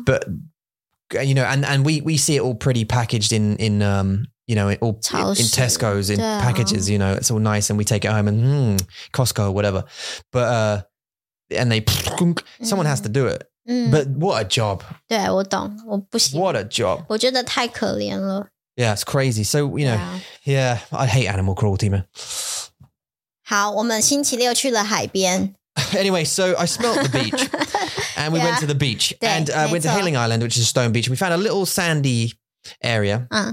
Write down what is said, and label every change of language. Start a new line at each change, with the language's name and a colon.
English: But you know, and we see it all pretty packaged in you know, all in Tesco's in packages, you know, it's all nice and we take it home and Costco or whatever. But and they someone has to do it. But what a job. What a job. Yeah, it's crazy. So, you know, yeah, I hate animal cruelty, man.
Chinese: 好,我们星期六去了海边.
English: Anyway, so I smelt the beach and we went to the beach and we went to Hailing Island, which is a stone beach. We found a little sandy area.